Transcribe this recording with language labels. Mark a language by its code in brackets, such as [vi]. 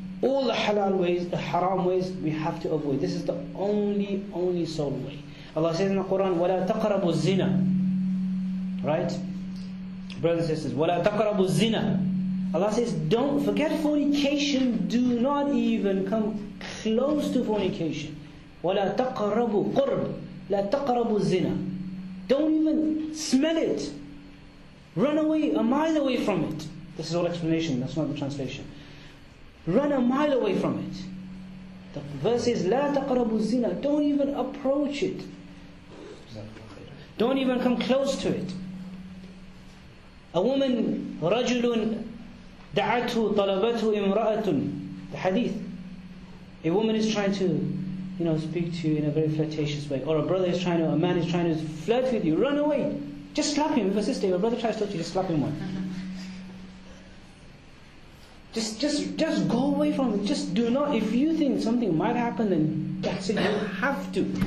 [en] All the halal ways, the haram ways, we have to avoid. This is the only sole way. Allah says in the Quran, [ar] وَلَا تَقْرَبُوا الزِّنَا [en] Right? Brothers and sisters, [ar] وَلَا تَقْرَبُوا الزِّنَا [en] Allah says, don't forget fornication, do not even come close to fornication. [ar] وَلَا تَقْرَبُوا قُرْبُ لَا تَقْرَبُوا الزِّنَا [en] Don't even smell it. Run away, a mile away from it. This is all explanation, that's not the translation. Run a mile away from it. The verse is, [ar] لا تقربوا الزنا. [en] Don't even approach it. Don't even come close to it. A woman, [ar] رجل دعته طلبته امرأة. [en] The hadith. A woman is trying to, you know, speak to you in a very flirtatious way. Or a man is trying to flirt with you. Run away. Just slap him. If a sister, if a brother tries to talk to you, just slap him one. Just go away from it. Just do not. If you think something might happen, then that's it. You have to.